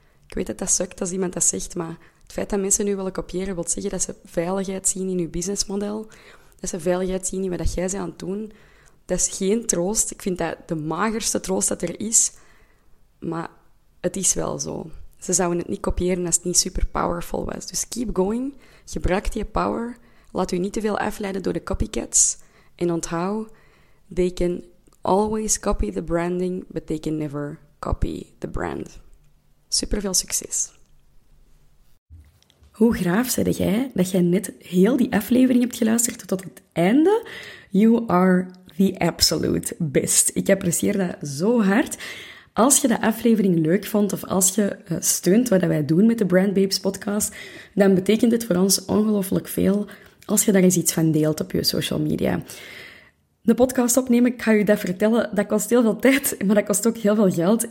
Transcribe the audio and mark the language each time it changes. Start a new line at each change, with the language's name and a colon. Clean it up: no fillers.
Dutch: Ik weet dat dat sukt als iemand dat zegt, maar het feit dat mensen nu willen kopiëren, wil zeggen dat ze veiligheid zien in je businessmodel, dat ze veiligheid zien in wat jij bent aan het doen. Dat is geen troost. Ik vind dat de magerste troost dat er is. Maar het is wel zo. Ze zouden het niet kopiëren als het niet super powerful was.
English: Dus keep going.
Dutch: Gebruik die power. Laat u niet te veel afleiden door de copycats. En onthoud,
English: they can always copy the branding, but they can never copy the brand.
Dutch: Super veel succes. Hoe graaf zei jij dat jij net heel die aflevering hebt geluisterd tot het einde?
English: You are the absolute best.
Dutch: Ik apprecieer dat zo hard. Als je de aflevering leuk vond of als je steunt wat wij doen met de Brand Babes podcast, dan betekent het voor ons ongelooflijk veel als je daar eens iets van deelt op je social media. De podcast opnemen, ik ga je dat vertellen, dat kost heel veel tijd, maar dat kost ook heel veel geld.